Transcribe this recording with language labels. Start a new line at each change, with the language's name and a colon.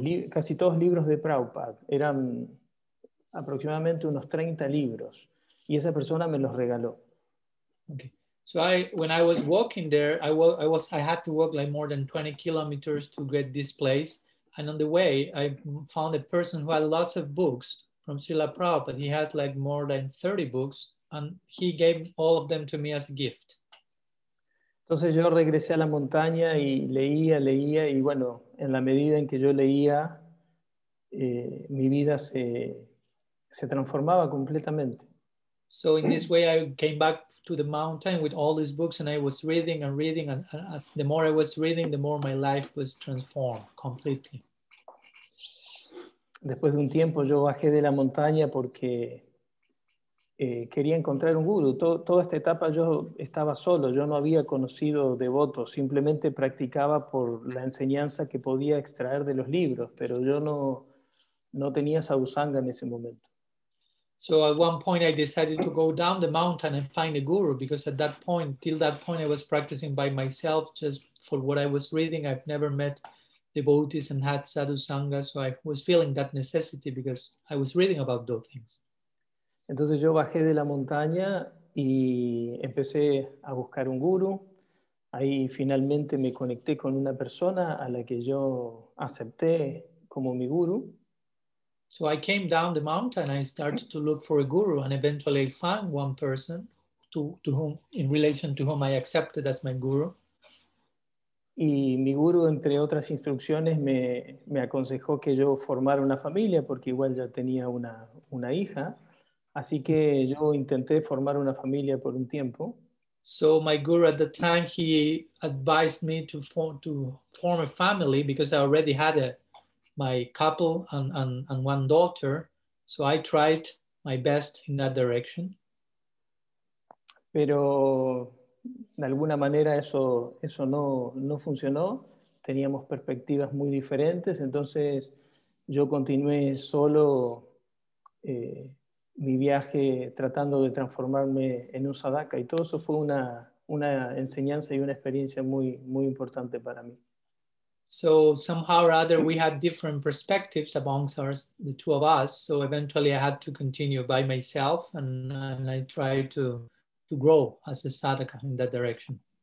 Spanish: Casi todos libros de Prabhupada. Eran aproximadamente unos 30 libros. Y esa persona me los regaló.
English: Okay. So I, when I was walking there, I had to walk like more than 20 kilometers to get this place. And on the way, I found a person who had lots of books from Srila Prabhupada. He had like more than 30 books. And he gave all of them to me as a gift.
Spanish: Entonces yo regresé a la montaña y leía y bueno, en la medida en que yo leía, mi vida se transformaba completamente.
English: So in this way I came back to the mountain with all these books and I was reading and reading and as the more I was reading, the more my life was transformed completely.
Spanish: Después de un tiempo yo bajé de la montaña porque quería encontrar un guru. Toda esta etapa yo estaba solo, yo no había conocido devotos, simplemente practicaba por la enseñanza que podía extraer de los libros, pero yo no tenía sadhusanga en ese momento.
English: So at one point I decided to go down the mountain and find a guru, because at that point, till that point I was practicing by myself, just for what I was reading. I've never met devotees and had sadhusanga, so I was feeling that necessity because I was reading about those things.
Spanish: Entonces yo bajé de la montaña y empecé a buscar un guru. Ahí finalmente me conecté con una persona a la que yo acepté como mi guru.
English: So I came down the mountain, I started to look for a guru, and eventually I found one person to whom, in relation to whom I accepted as my guru.
Spanish: Y mi guru, entre otras instrucciones, me aconsejó que yo formara una familia, porque igual ya tenía una hija. Así que yo intenté formar una familia por un tiempo.
English: So my guru at the time, he advised me to form a family because I already had my couple and one daughter. So I tried my best in that direction.
Spanish: Pero de alguna manera eso no funcionó. Teníamos perspectivas muy diferentes. Entonces yo continué solo mi viaje tratando de transformarme en un sadaka. Y todo eso fue una enseñanza y una experiencia muy, muy importante para mí.
English: So somehow or other we had different perspectives amongst the two of us. So eventually I had to continue by myself and I tried to grow as a sadhaka in that direction.